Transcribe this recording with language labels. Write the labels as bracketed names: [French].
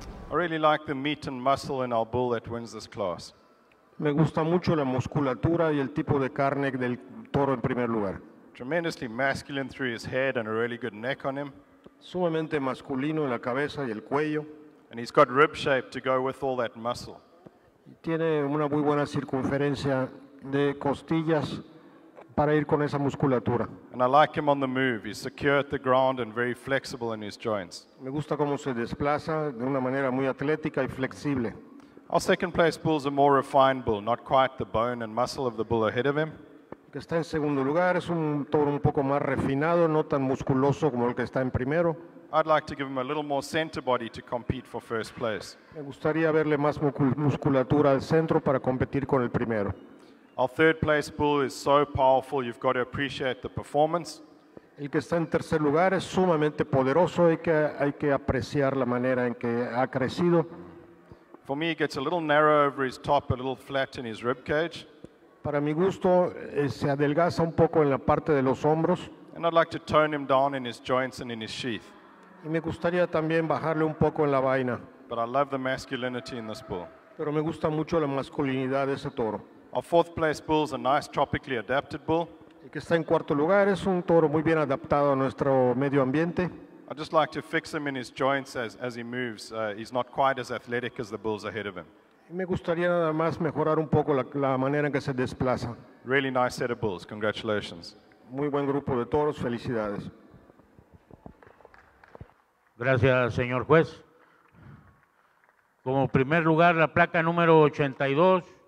[English] I really like the meat and muscle in our bull that wins this class. [Spanish] Me gusta mucho la musculatura y el tipo de carne del toro en primer lugar. [English] Tremendously masculine through his head and a really good neck on him. [Spanish] Sumamente masculino en la cabeza y el cuello. [English] And he's got rib shape to go with all that muscle. [Spanish] Tiene una muy buena circunferencia de costillas para ir con esa musculatura. [English] And I like him on the move. He's secure at the ground and very flexible in his joints. [Spanish] Me gusta cómo se desplaza de una manera muy atlética y flexible. [English] Our second place bull is a more refined bull, not quite the bone and muscle of the bull ahead of him. [Spanish] Que está en segundo lugar es un toro un poco más refinado, no tan musculoso como el que está en primero. [English] I'd like to give him a little more center body to compete for first place. [Spanish] Me gustaría verle más musculatura al centro para competir con el primero. [English] Our third place bull is so powerful, you've got to appreciate the performance. [Spanish] El que está en tercer lugar es sumamente poderoso, hay que apreciar la manera en que ha crecido. [English] For me, it gets a little narrow over his top, a little flat in his rib cage. [Spanish] Para mi gusto, se adelgaza un poco en la parte de los hombros. [English] And I'd like to tone him down in his joints and in his sheath. [Spanish] Y me gustaría también bajarle un poco en la vaina. [English] But I love the masculinity in this bull. [Spanish] Pero me gusta mucho la masculinidad de ese toro. [English] Our fourth place bull is a nice tropically adapted bull. [Spanish] El que está en cuarto lugar es un toro muy bien adaptado a nuestro medio ambiente. [English] I just like to fix him in his joints as he moves. He's not quite as athletic as the bulls ahead of him. [Spanish] Me gustaría nada más mejorar un poco la manera en que se desplaza. [English] Really nice set of bulls. Congratulations. [Spanish] Muy buen grupo de toros. Felicidades. Gracias, señor juez. Como primer lugar, la placa número 82.